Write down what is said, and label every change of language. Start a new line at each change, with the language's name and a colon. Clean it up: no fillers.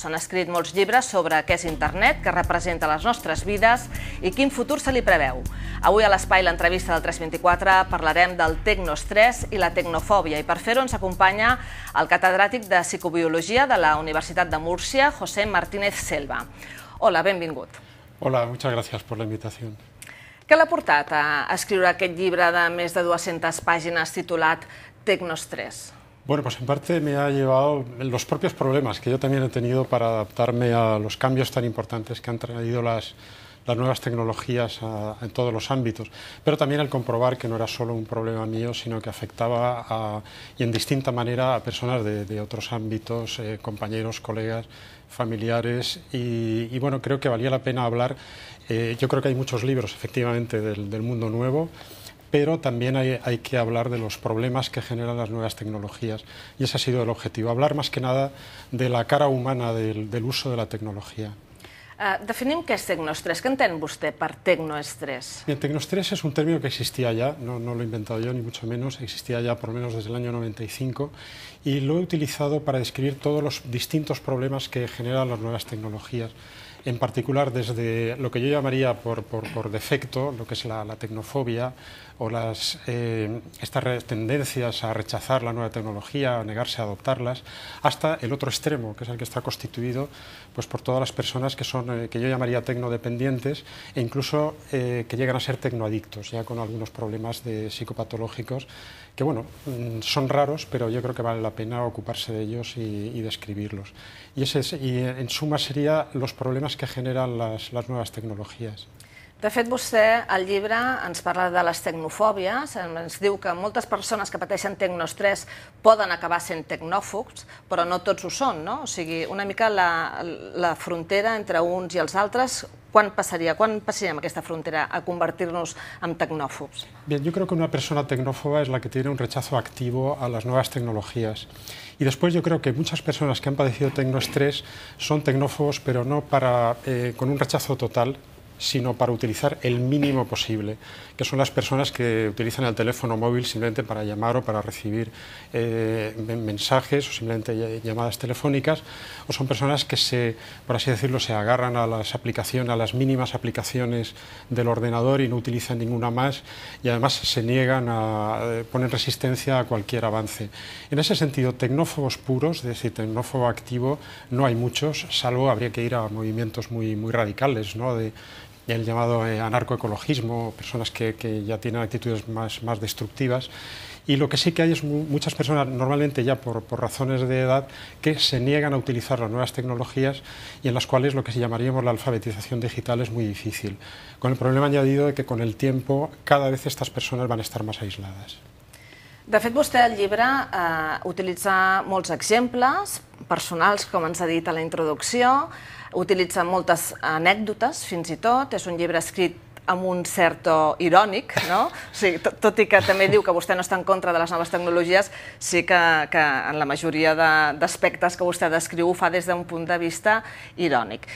Catalan: S'han escrit molts llibres sobre què és internet, què representa les nostres vides i quin futur se li preveu. Avui a l'Espai l'entrevista del 324 parlarem del tecnoestrès i la tecnofòbia i per fer-ho ens acompanya el catedràtic de Psicobiologia de la Universitat de Múrcia, José Martínez Selva. Hola, benvingut.
Spanish: Hola, muchas gracias por la invitación.
Catalan: Què l'ha portat a escriure aquest llibre de més de 200 pàgines titulat Tecnoestrés?
Spanish: Bueno, pues en parte me ha llevado los propios problemas que yo también he tenido para adaptarme a los cambios tan importantes que han traído las nuevas tecnologías en todos los ámbitos, pero también el comprobar que no era solo un problema mío, sino que afectaba y en distinta manera a personas de otros ámbitos, compañeros, colegas, familiares, y bueno, creo que valía la pena hablar. Yo creo que hay muchos libros, efectivamente, del mundo nuevo, pero también hay que hablar de los problemas que generan las nuevas tecnologías, y ese ha sido el objetivo, hablar más que nada de la cara humana del uso de la tecnología.
Catalan: Definim què és tecnoestrés. Què entén vostè per tecnoestrés?
Spanish: Bien, tecnoestrés es un término que existía ya, no lo he inventado yo ni mucho menos, existía ya por lo menos desde el año 95 y lo he utilizado para describir todos los distintos problemas que generan las nuevas tecnologías. En particular desde lo que yo llamaría por defecto, lo que es la tecnofobia o estas tendencias a rechazar la nueva tecnología, a negarse a adoptarlas, hasta el otro extremo, que es el que está constituido pues, por todas las personas que son, que yo llamaría tecnodependientes e incluso que llegan a ser tecnoadictos, ya con algunos problemas psicopatológicos, que bueno, son raros, pero yo creo que vale la pena ocuparse de ellos y describirlos. Y en suma serían los problemas que generan las nuevas tecnologías.
Catalan: De fet, vostè, al llibre, ens parla de les tecnofòbies, ens diu que moltes persones que pateixen tecnoestrès poden acabar sent tecnòfobs, però no tots ho són, no? O sigui, una mica la frontera entre uns i els altres, quan passaria, quan passaríem aquesta frontera a convertir-nos en tecnòfobs? Bé, jo crec que una persona tecnòfoba és la que té un rechazo actiu a les noves tecnologies.
Spanish: Y después yo creo que muchas personas que han padecido tecnoestrés son tecnófobos, pero no con un rechazo total, sino para utilizar el mínimo posible, que son las personas que utilizan el teléfono móvil simplemente para llamar o para recibir mensajes o simplemente llamadas telefónicas, o son personas que se agarran a las aplicaciones, a las mínimas aplicaciones del ordenador y no utilizan ninguna más, y además se niegan a poner resistencia a cualquier avance. En ese sentido, tecnófobos puros, es decir, tecnófobo activo, no hay muchos, salvo habría que ir a movimientos muy, muy radicales, ¿no? El llamado anarcoecologismo, personas que ya tienen actitudes más destructivas. Y lo que sí que hay es muchas personas, normalmente ya por razones de edad, que se niegan a utilizar las nuevas tecnologías y en las cuales lo que llamaríamos la alfabetización digital es muy difícil. Con el problema añadido de que con el tiempo cada vez estas personas van a estar más aisladas.
Catalan: De fet, vostè al llibre utilitza molts exemples personals, com ens ha dit a la introducció, utilitza moltes anècdotes, fins i tot, és un llibre escrit amb un cert to irònic, no? O sigui, tot i que també diu que vostè no està en contra de les noves tecnologies, sí que en la majoria d'aspectes que vostè descriu ho fa des d'un punt de vista irònic.